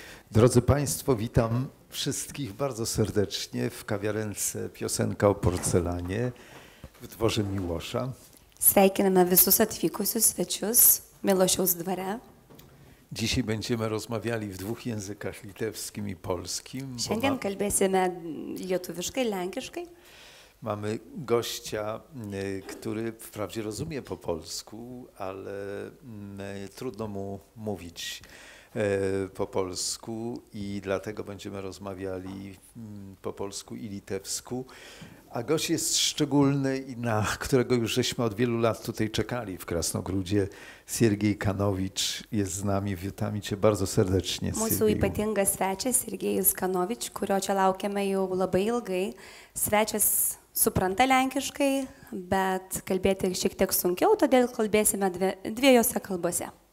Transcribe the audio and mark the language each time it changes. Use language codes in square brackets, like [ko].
[pl] Drodzy Państwo, witam wszystkich bardzo serdecznie w kawiarence Piosenka o porcelanie w dworze Miłosza. [lt] Sveikiname visus atvykusius svečius Milošiaus dvare. [pl] Dzisiaj będziemy rozmawiali w dwóch językach, litewskim i polskim. [lt] Šiandien kalbėsime lietuviškai, lenkiškai. [pl] Mamy gościa, który wprawdzie rozumie po polsku, ale trudno mu mówić po polsku i dlatego będziemy rozmawiali po polsku i litewsku. A gość jest szczególny, na którego już żeśmy od wielu lat tutaj czekali w Krasnogródzie. Siergiej Kanowicz jest z nami. Witam cię bardzo serdecznie, Siergiej. [lt] Mūsų ypatingas svečias Siergejus Kanowicz, kurio čia laukiame jau labai ilgai. Svečias supranta lenkiškai, bet kalbėti šiek tiek sunkiau, todėl kalbėsime dviejose kalbose.